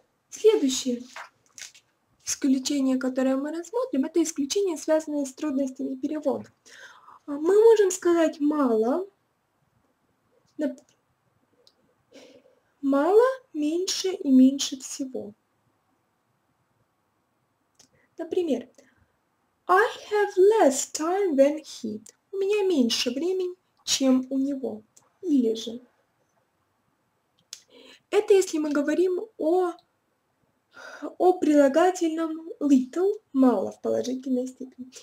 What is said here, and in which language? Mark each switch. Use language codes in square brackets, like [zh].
[ru] Следующее исключение, которое мы рассмотрим, это исключение, связанное с трудностями перевода. Мы можем сказать мало, мало, меньше и меньше всего. Например, [en] I have less time than he. [ru] У меня меньше времени, чем у него. Или же. Это если мы говорим о прилагательном little, мало в положительной степени.